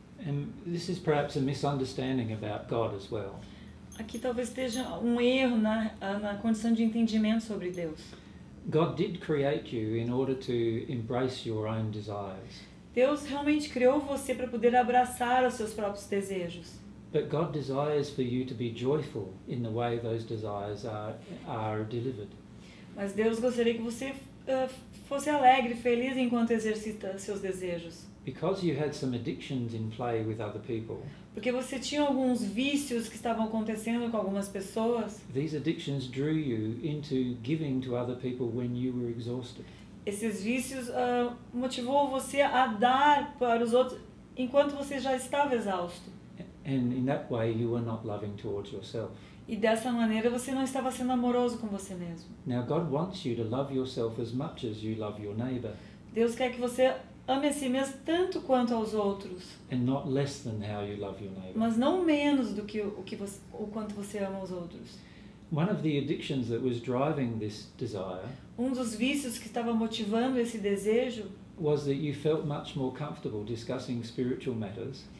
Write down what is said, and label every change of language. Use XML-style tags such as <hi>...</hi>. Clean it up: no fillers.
<en>And this is perhaps a misunderstanding about God as well.</en> <pt>Aqui talvez esteja um erro na condição de entendimento sobre Deus.</pt> <en>God did create you in order to embrace your own desires.</en> <pt>Deus realmente criou você para poder abraçar os seus próprios desejos.</pt> <en>But God desires for you to be joyful in the way those desires are delivered.</en> <pt>Mas Deus gostaria que você fosse alegre, feliz enquanto exercita seus desejos.</pt> <en>Because you had some addictions in play with other people.</en> <pt>Porque você tinha alguns vícios que estavam acontecendo com algumas pessoas.</pt> <en>These addictions drew you into giving to other people when you were exhausted.</en> <pt>Esses vícios motivou você a dar para os outros enquanto você já estava exausto.</pt> <en>And in that way you were not loving towards yourself.</en> <pt>E dessa maneira você não estava sendo amoroso com você mesmo.</pt> <en>Now God wants you to love yourself as much as you love your neighbor.</en> <pt>Deus quer que você ame a si mesmo tanto quanto aos outros.</pt> <en>And not less than how you love your neighbor.</en> <pt>Mas não menos do que o quanto você ama os outros.</pt> <en>One of the addictions that was driving this desire.</en> <pt>Um dos vícios que estava motivando esse desejo.</pt> <en>Was that you felt much more comfortable discussing spiritual matters.</en>